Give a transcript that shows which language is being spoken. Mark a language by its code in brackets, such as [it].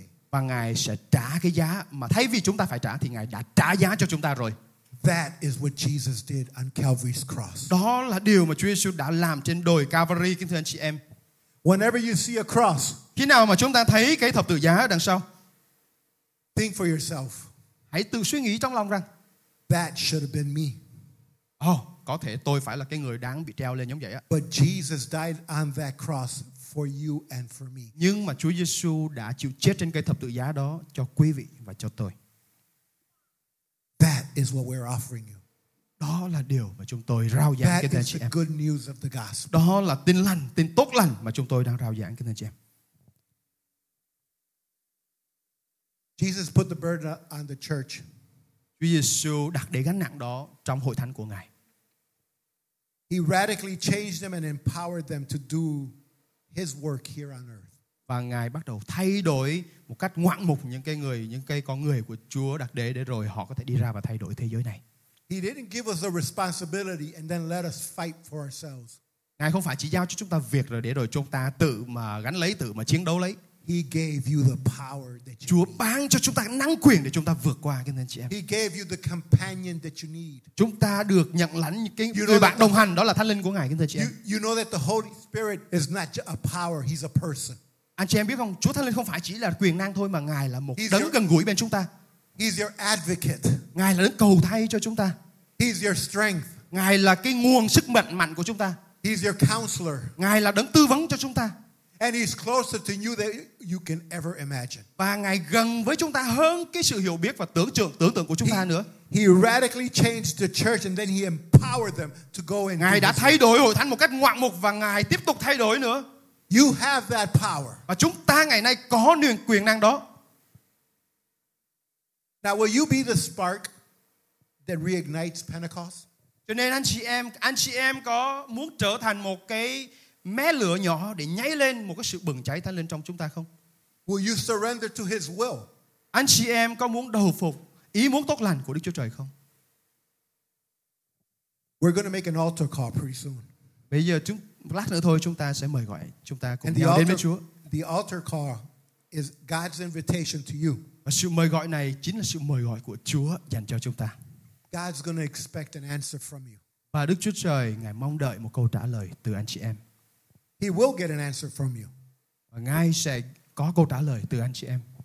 [vi] Và Ngài sẽ trả cái giá mà thay vì chúng ta phải trả thì Ngài đã trả giá cho chúng ta rồi. [en] That is what Jesus did on Calvary's cross. [vi] Đó là điều mà Chúa Giêsu đã làm trên đồi Calvary, kính thưa anh chị em. [en] Whenever you see a cross, [vi] khi nào mà chúng ta thấy cái thập tự giá đằng sau, [en] think for yourself. [vi] Hãy tự suy nghĩ trong lòng rằng [en] that should have been me. [vi] Oh, có thể tôi phải là cái người đáng bị treo lên giống vậy á. [en] But Jesus died on that cross for you and for me. [vi] Nhưng mà Chúa Giêsu đã chịu chết trên cây thập tự giá đó cho quý vị và cho tôi. [en] That is what we're offering you. [vi] Đó là điều mà chúng tôi rao giảng cho anh chị em. [en] That is good news of the gospel. [vi] Đó là tin lành, tin tốt lành mà chúng tôi đang rao giảng cho anh chị em. [en] Jesus put the burden on the church. [vi] Chúa Giêsu đặt để gánh nặng đó trong hội thánh của Ngài. [en] He radically changed them and empowered them to do his work here on earth. [vi] Và Ngài bắt đầu thay đổi một cách ngoạn mục những con người của Chúa đặt để rồi họ có thể đi ra và thay đổi thế giới này. [en] He didn't give us a responsibility and then let us fight for ourselves. [vi] Ngài không phải chỉ giao cho chúng ta việc rồi để rồi chúng ta tự mà gánh lấy, tự mà chiến đấu lấy. [en] He gave you the power that you [vi] Chúa ban cho chúng ta năng quyền để chúng ta vượt qua cái anh chị em. [en] He gave you the companion that you need. [vi] Chúng ta được nhận lãnh những cái you người bạn đồng hành đó là Thánh Linh của Ngài, kính thưa chị em. [en] You know that the Holy Spirit is not a power, he's a person. [vi] Anh chị em biết không, Chúa Thánh Linh không phải chỉ là quyền năng thôi mà Ngài là một đấng gần gũi bên chúng ta. [en] He's your advocate. [vi] Ngài là đấng cầu thay cho chúng ta. [en] He's your strength. [vi] Ngài là cái nguồn sức mạnh mạnh của chúng ta. [en] He's your counselor. [vi] Ngài là đấng tư vấn cho chúng ta. [en] And he's closer to you than you can ever imagine. [vi] Và Ngài gần với chúng ta hơn cái sự hiểu biết và tưởng tượng của chúng ta nữa. [en] He radically changed the church and then he empowered them to go in. [vi] Ngài đã thay đổi hội thánh một cách ngoạn mục và Ngài tiếp tục thay đổi nữa. [en] You have that power. [vi] Và chúng ta ngày nay có niềm quyền năng đó. [en] Now will you be the spark that reignites Pentecost? [vi] Cho nên anh chị em có muốn trở thành một cái mé lửa nhỏ để nháy lên một cái sự bừng cháy thánh linh trong chúng ta không? [en] Will you surrender to his will? [vi] Anh chị em có muốn đầu phục ý muốn tốt lành của Đức Chúa Trời không? [en] We're going to make an altar call pretty soon. [vi] Bây giờ lát nữa thôi chúng ta sẽ mời gọi chúng ta cùng nhau đến với Chúa. [en] The altar call is God's invitation to you. [vi] Và sự mời gọi này chính là sự mời gọi của Chúa dành cho chúng ta. [en] God's going to expect an answer from you. [vi] Và Đức Chúa Trời Ngài mong đợi một câu trả lời từ anh chị em. [en] He will get an answer from you. [vi] Và Ngài sẽ có câu trả lời từ anh chị em.